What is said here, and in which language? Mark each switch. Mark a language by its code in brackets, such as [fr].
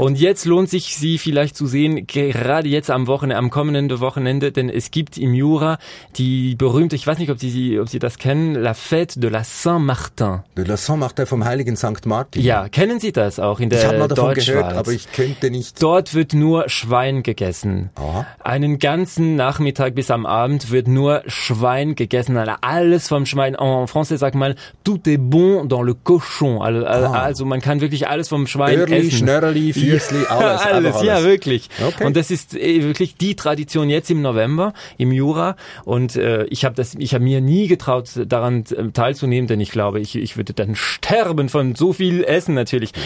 [de] Und jetzt lohnt sich sie vielleicht zu sehen, gerade jetzt am kommenden Wochenende, denn es gibt im Jura die berühmte, ich weiß nicht, ob sie das kennen, La Fête de la Saint-Martin. De la Saint-Martin, vom heiligen Sankt Martin. Ja, kennen Sie das auch in der Deutschschweiz? Ich habe mal davon gehört, aber ich könnte nicht. Dort wird nur Schwein gegessen. Aha. Einen ganzen Nachmittag bis am Abend wird nur Schwein gegessen, alles vom Schwein. [fr] En français [de] sagt man, [fr] tout est bon dans le cochon. [de] Also man kann wirklich alles vom Schwein Örli, essen. Schnörli, Fürsli, alles. Ja, wirklich. Okay. Und das ist wirklich die Tradition jetzt im November, im Jura. Und ich hab mir nie getraut, daran teilzunehmen, denn ich glaube, ich würde dann sterben von so viel Essen natürlich.